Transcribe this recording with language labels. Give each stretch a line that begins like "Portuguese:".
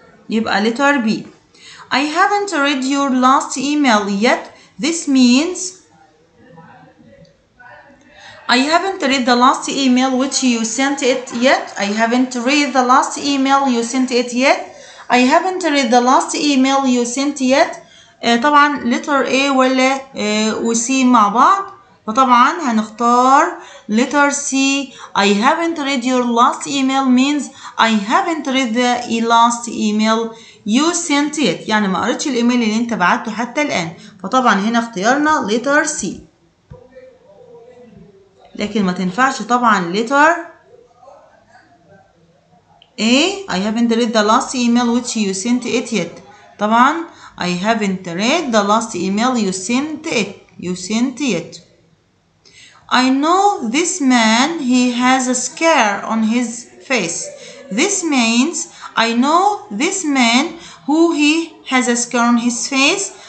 English: يبقى letter B. I haven't read your last email yet. This means I haven't read the last email which you sent it yet. I haven't read the last email you sent it yet. I haven't read the last email you sent yet.
Arabic: طبعا letter A ولا وC مع بعض. فطبعا هنختار letter C.
English: I haven't read your last email means I haven't read the last email you sent it.
Arabic: يعني ما قريتش الايميل اللي انت بعته حتى الآن. فطبعا هنا اختيارنا letter C. لكن ما تنفعش طبعا letter A.
English: I haven't read the last email which you sent it yet. طبعا I haven't read the last email you sent it. You sent it. I know this man, he has a scar on his face. This means I know this man who he has a scar on his face.